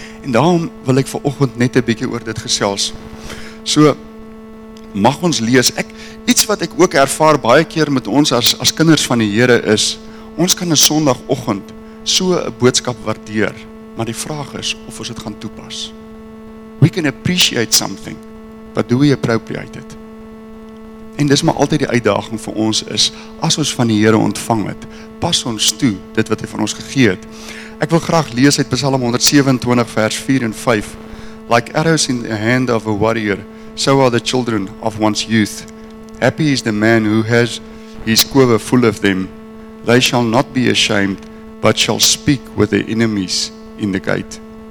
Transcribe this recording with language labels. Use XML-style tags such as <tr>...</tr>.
<af>En daarom wil ek vanoggend net 'n bietjie oor dit gesels. So, mag ons lees. Iets wat ek ook ervaar baie keer met ons as kinders van die Here is, ons kan 'n Sondagoggend so 'n boodskap waardeer, maar die vraag is of ons dit gaan toepas.</af> <en>We can appreciate something, but do we appropriate it?</en> <af>En dis maar altyd die uitdaging vir ons is, as ons van die Here ontvang het, pas ons toe dit wat hy van ons gegee het. Ek wil graag lees uit Psalm 127 vers 4 en 5.</af> <en>Like arrows in the hand of a warrior, so are the children of one's youth. Happy is the man who has his quiver full of them. They shall not be ashamed, but shall speak with their enemies in the gate.</en>